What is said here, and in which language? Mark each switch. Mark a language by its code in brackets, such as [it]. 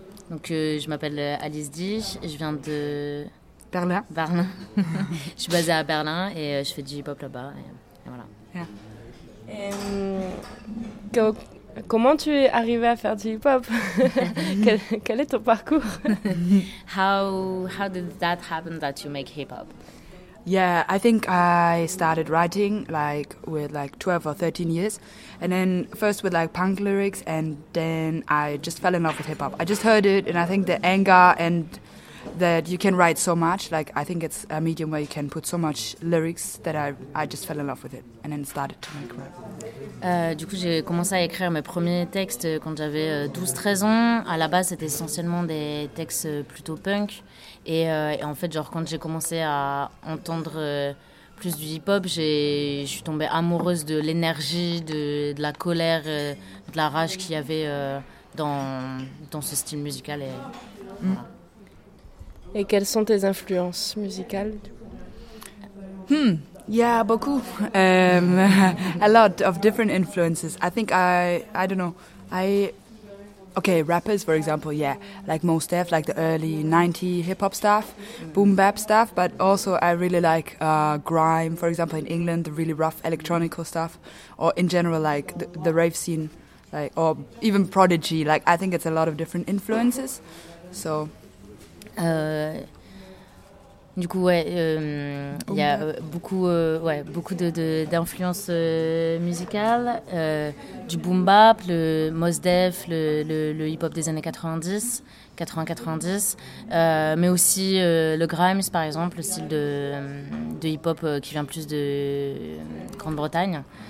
[fr] Donc je m'appelle Alice D, je viens de Berlin. Berlin. Je suis basée à Berlin et je fais du hip-hop là-bas et voilà. Yeah. Comment tu es arrivée à faire du hip-hop? quel est ton parcours? [en] how did that happen that you make hip-hop? Yeah, I think I started writing like with like 12 or 13 years, and then first with like punk lyrics, and then I just fell in love with hip hop. I just heard it, and I think the anger and that you can write so much. Like I think it's a medium where you can put so much lyrics that I just fell in love with it, and then started to make rap. [fr] Du coup, j'ai commencé à écrire mes premiers textes quand j'avais 12-13 ans. À la base, c'était essentiellement des textes plutôt punk. Et en fait, genre, quand j'ai commencé à entendre plus du hip-hop, je suis tombée amoureuse de l'énergie, de la colère, de la rage qu'il y avait dans ce style musical. Et, voilà. Et quelles sont tes influences musicales? [en] Yeah, [fr] beaucoup. [en] A lot of different influences. I think I don't know. Okay, rappers, for example, yeah. Like Mos Def, like the early 90s hip-hop stuff, boom-bap stuff. But also I really like grime, for example, in England, the really rough electronical stuff. Or in general, like the rave scene, like or even Prodigy. Like, I think it's a lot of different influences. So... [fr] Du coup, ouais, y a beaucoup, beaucoup d'influences musicales, du boom bap, le Mos Def, le hip-hop des années 90, mais aussi le grimes, par exemple, le style de hip-hop qui vient plus de Grande-Bretagne.